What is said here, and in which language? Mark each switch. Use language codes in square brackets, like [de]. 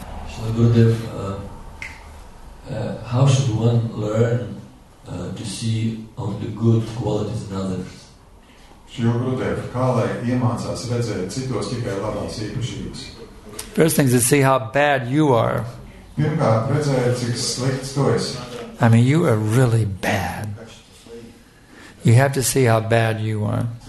[en] Shri Gurudev, how should one learn to see only good qualities in others? [lv] Shri Gurudev, kā lai iemācās redzēt citos tikai labās īpašības? [en] First thing is to see how bad you are. [lv] Pirmkārt, redzēt, cik slikts tu esi. [en] I mean, you are really bad. You have to see how bad you are.